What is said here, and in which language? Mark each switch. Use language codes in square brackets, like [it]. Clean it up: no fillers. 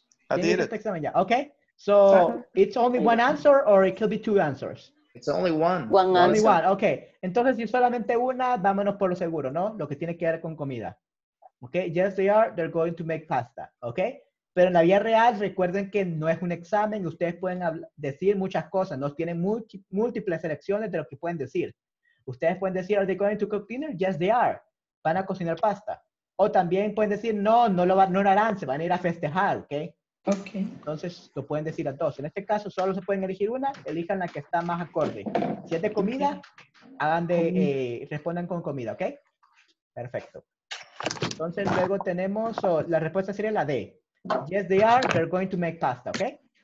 [en] Okay, so it's only one answer or it could be two answers? It's only one. One only answer. One. [es] Okay, entonces si solamente una, vámonos por lo seguro, ¿no? Lo que tiene que ver con comida. [en] Okay, yes they are, they're going to make pasta, okay? [es] Pero en la vida real, recuerden que no es un examen, ustedes pueden decir muchas cosas, ¿no? Tienen múltiples selecciones de lo que pueden decir. Ustedes pueden decir, [en] are they going to cook dinner? Yes they are, [es] van a cocinar pasta. O también pueden decir, no lo harán, se van a ir a festejar, ¿ok? Ok. Entonces, lo pueden decir a dos. En este caso, solo se pueden elegir una, elijan la que está más acorde. Si es de comida, hagan de, respondan con comida, ¿ok? Perfecto. Entonces, luego tenemos, la respuesta sería la D. [en] Yes, they are, they're going to make pasta, ¿ok?